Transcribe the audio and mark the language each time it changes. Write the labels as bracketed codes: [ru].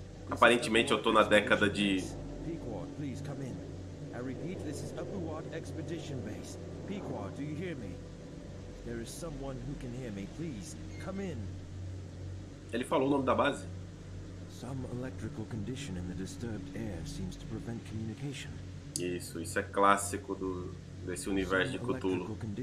[pt] Aparentemente eu tô na década de... Pequod, por favor, [en] come in. [pt] Eu repito, isso é Upper Ward Expedition Base. Pequod, você me ouve? Se há alguém que pode me ouvir, por favor, [en] come in. [pt] Ele falou o nome da base? [en] Some electrical condition in the disturbed air seems to prevent communication. [pt] Isso é clássico do desse universo de Cthulhu.